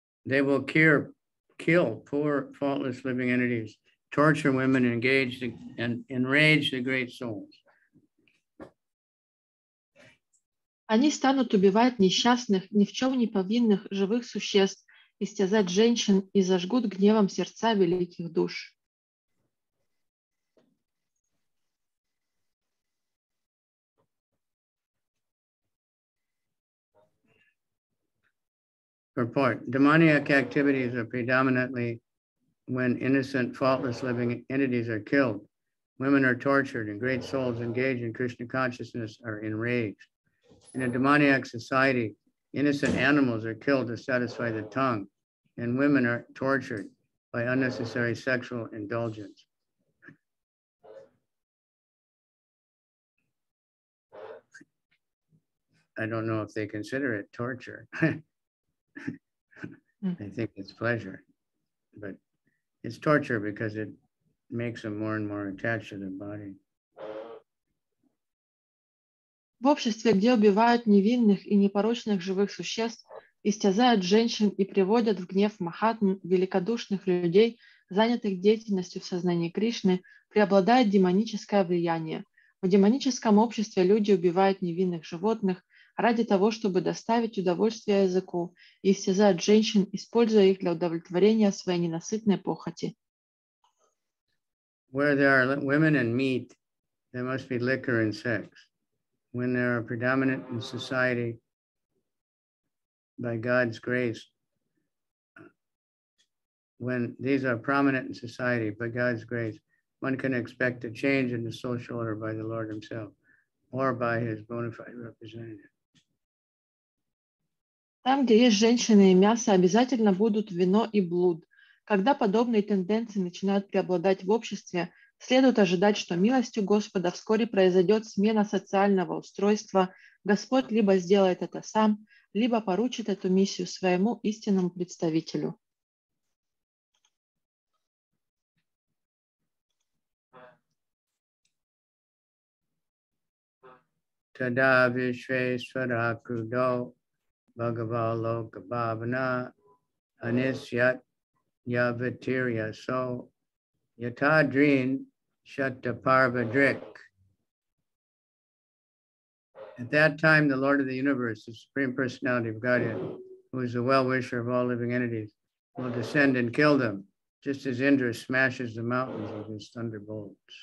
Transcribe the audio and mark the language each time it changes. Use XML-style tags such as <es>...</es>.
<en>They will kill poor, faultless living entities, torture women, and enrage the great souls.</en> <ru>Они станут убивать несчастных, ни в чем не повинных живых существ, истязать женщин и зажгут гневом сердца великих душ.</ru> <en>Report. Demoniac activities are predominantly when innocent, faultless living entities are killed. Women are tortured and great souls engaged in Krishna consciousness are enraged. In a demoniac society, innocent animals are killed to satisfy the tongue, and women are tortured by unnecessary sexual indulgence. I don't know if they consider it torture. I think it's pleasure, but it's torture because it makes them more and more attached to their body.</en> <ru>В обществе, где убивают невинных и непорочных живых существ, истязают женщин и приводят в гнев махатм великодушных людей, занятых деятельностью в сознании Кришны, преобладает демоническое влияние. В демоническом обществе люди убивают невинных животных ради того, чтобы доставить удовольствие языку, и истязают женщин, используя их для удовлетворения своей ненасытной похоти.</ru> <en>Where there are women and meat, there must be liquor and sex. When there are predominant in society, by God's grace, when these are prominent in society, by God's grace, one can expect a change in the social order by the Lord himself or by his bona fide representative.</en> <ru>Там, где есть женщины и мясо, обязательно будут вино и блуд. Когда подобные тенденции начинают преобладать в обществе, следует ожидать, что милостью Господа вскоре произойдет смена социального устройства. Господь либо сделает это сам, либо поручит эту миссию своему истинному представителю.</ru> <sa>Тада вишве сваракрудо бхагавалокабхавана анисьят явитирья со ятадрин Shatta Parva Drik.</sa> <en>At that time, the Lord of the Universe, the Supreme Personality of Godhead, who is the well-wisher of all living entities, will descend and kill them, just as Indra smashes the mountains with his thunderbolts.</en>